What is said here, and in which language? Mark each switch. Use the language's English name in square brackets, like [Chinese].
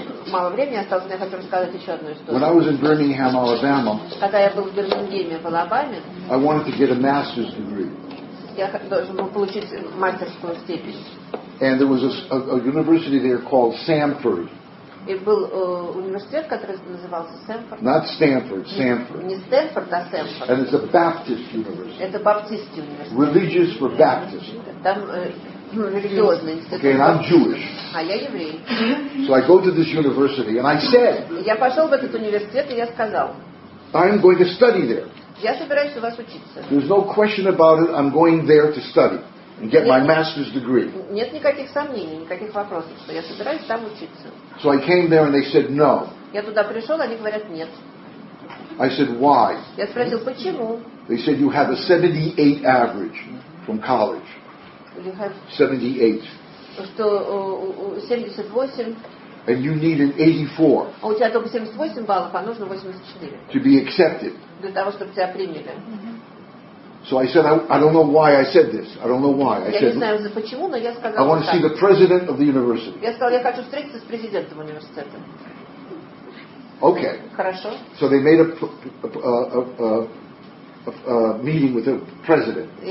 [Russian] Мало времени осталось, но я хочу рассказать еще одну историю. [English] When I was in Birmingham, Alabama, [Russian] когда я был в Бирмингеме, в Алабаме, [English] I wanted to get a master's degree. [Russian] Я должен был получить мастерскую степень. [English] And there was a university there called Samford. [Russian] It был университет, который назывался Samford. [English] Not Stanford, Samford. [Russian] Не Стэнфорд, а Samford. [English] And it's a Baptist university. [Russian] Это баптистский университет. [English] Religious for Baptists. [Russian] Там религиозный институт. [English] Okay, and I'm Jewish. [Russian] А я еврей. [English] So I go to this university and I said. [Russian] Я пошел в этот университет и я сказал. [English] I'm going to study there. [Russian] Я собираюсь у вас учиться. [English] There's no question about it. I'm going there to study. And get my master's degree. [Russian] Нет никаких сомнений, никаких вопросов, что я собираюсь там учиться. [English] So I came there and they said no. [Russian] Я туда пришел, они говорят нет. [English] I said why? [Russian] Я спросил почему. [English] They said you have a 78 average. from college. You have 78. And you need an 84. [Russian] У тебя только 78 баллов, а нужно 84. [English] To be accepted. [Russian] Для того, чтобы тебя приняли. [English] So I said, I don't know why I said this. I don't know why. I said, I want to see the president of the university. Okay. So they made a meeting with the president.